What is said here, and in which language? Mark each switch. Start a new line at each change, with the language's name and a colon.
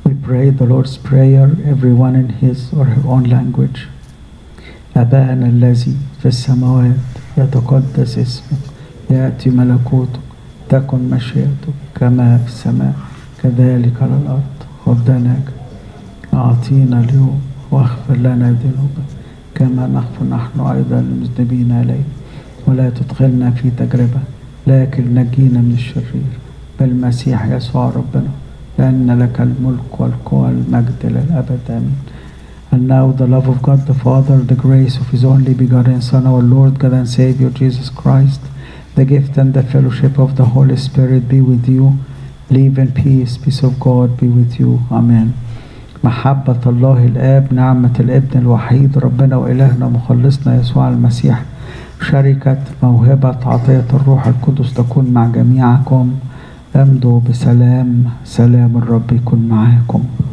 English: Pray the Lord's Prayer, everyone in his or her own language.
Arabic: أبانا الذي في السماوات يتقدس اسمك يأتي ملكوتك تكن مشيئتك كما في السماء كذلك على الأرض خبزنا أعطينا اليوم واغفر لنا ذنوبنا كما نغفر نحن أيضا المذنبين إليك ولا تدخلنا في تجربة لكن نجينا من الشرير بالمسيح يسوع ربنا لأن لك الملك والقوة والمجد للأبد آمين.
English: And now the love of God the Father, the grace of His only begotten Son, our Lord God and Savior Jesus Christ, the gift and the fellowship of the Holy Spirit be with you. Live in peace. Peace of God be with you. Amen.
Arabic: محبة الله الآب نعمة الابن الوحيد ربنا وإلهنا مخلصنا يسوع المسيح شركة موهبة عطية الروح القدس تكون مع جميعكم امضوا بسلام سلام الرب يكون معاكم.